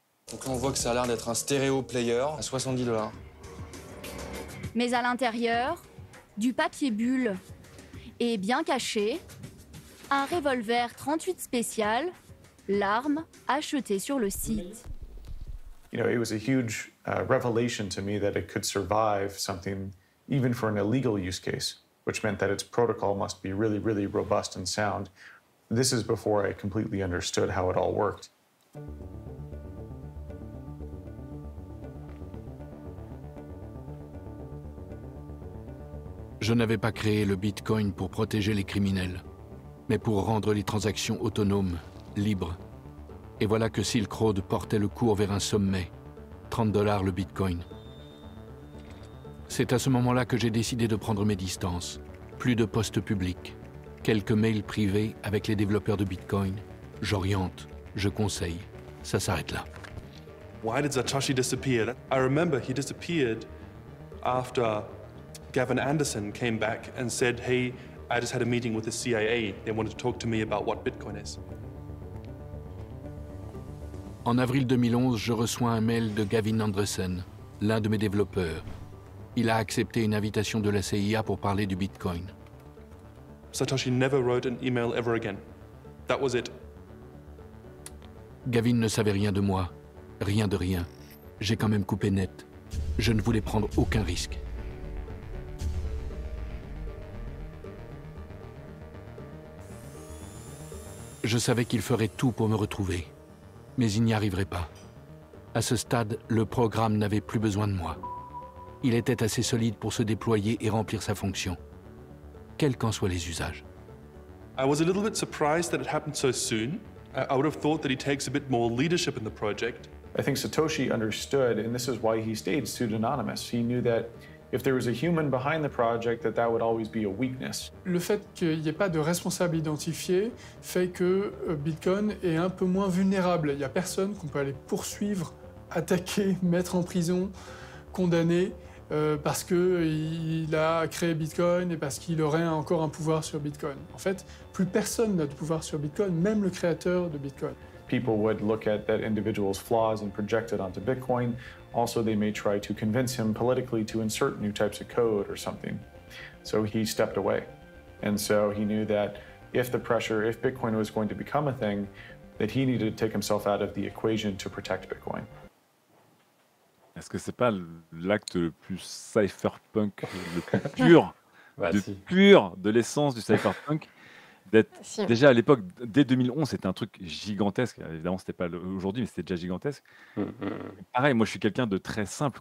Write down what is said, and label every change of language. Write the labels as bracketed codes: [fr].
[fr] Donc là, on voit que ça a l'air d'être un stéréo player à $70. Mais à l'intérieur, du papier bulle et bien caché, un revolver 38 spécial, l'arme achetée sur le site. [en] You know, it was a huge revelation to me that it could survive something even for an illegal use case, which meant that its protocol must be really, really robust and sound. This is before I completely understood how it all worked. [fr] Je n'avais pas créé le Bitcoin pour protéger les criminels, mais pour rendre les transactions autonomes, libres. Et voilà que Silk Road portait le cours vers un sommet, $30 le Bitcoin. C'est à ce moment-là que j'ai décidé de prendre mes distances. Plus de postes publics, quelques mails privés avec les développeurs de Bitcoin. J'oriente, je conseille, ça s'arrête là. [en] Why did Satoshi disappear? I remember he disappeared after Gavin Anderson came back and said, hey, I just had a meeting with the CIA. They wanted to talk to me about what Bitcoin is. [fr] En avril 2011, je reçois un mail de Gavin Anderson, l'un de mes développeurs. Il a accepté une invitation de la CIA pour parler du Bitcoin. [en] Satoshi never wrote an email ever again. That was it. [fr] Gavin ne savait rien de moi, rien de rien. J'ai quand même coupé net. Je ne voulais prendre aucun risque. Je savais qu'il ferait tout pour me retrouver, mais il n'y arriverait pas. À ce stade, le programme n'avait plus besoin de moi. Il était assez solide pour se déployer et remplir sa fonction, quels qu'en soient les usages. [en] I was a little bit surprised that it happened so soon. I would have thought that he takes a bit more leadership in the project. I think Satoshi understood, and this is why he stayed pseudonymous. He knew that if there was a human behind the project, that that would always be a weakness. [fr] Le fait qu'il n'y ait pas de responsable identifié fait que Bitcoin est un peu moins vulnérable. Il n'y a personne qu'on peut aller poursuivre, attaquer, mettre en prison, condamné parce qu'il a créé Bitcoin et parce qu'il aurait encore un pouvoir sur Bitcoin. En fait, plus personne n'a de pouvoir sur Bitcoin, même le créateur de Bitcoin. [en] People would look at that individual's flaws and project it onto Bitcoin. Also, they may try to convince him politically to insert new types of code or something. So he stepped away. And so he knew that if the pressure, if Bitcoin was going to become a thing, that he needed to take himself out of the equation to protect Bitcoin. [fr] Est-ce que c'est pas l'acte le plus cypherpunk, le plus pur, pur de l'essence du cypherpunk d'être déjà à l'époque, dès 2011, c'était un truc gigantesque. Évidemment, c'était pas aujourd'hui, mais c'était déjà gigantesque. Mm-hmm. Pareil, moi, je suis quelqu'un de très simple.